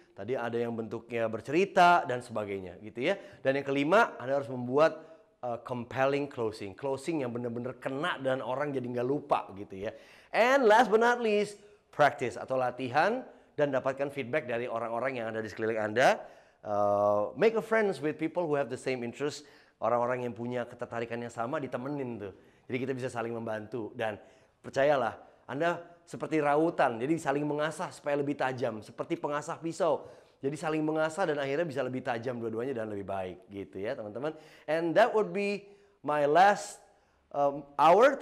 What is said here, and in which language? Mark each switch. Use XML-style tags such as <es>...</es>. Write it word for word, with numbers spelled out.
<id>Tadi ada yang bentuknya bercerita dan sebagainya gitu ya. Dan yang kelima, Anda harus membuat uh,</id> <en>compelling closing.</en> <id>Closing yang benar-benar kena dan orang jadi nggak lupa gitu ya.</id> <en>And last but not least,</en> <id>practice atau latihan dan dapatkan feedback dari orang-orang yang ada di sekeliling Anda.</id> <en>Uh, make a friends with people who have the same interest.</en> <id>Orang-orang yang punya ketertarikan yang sama ditemenin tuh. Jadi kita bisa saling membantu dan percayalah, Anda seperti rautan, jadi saling mengasah supaya lebih tajam. Seperti pengasah pisau, jadi saling mengasah dan akhirnya bisa lebih tajam dua-duanya dan lebih baik gitu ya teman-teman.</id> <en>And that would be my last um, hour.</en>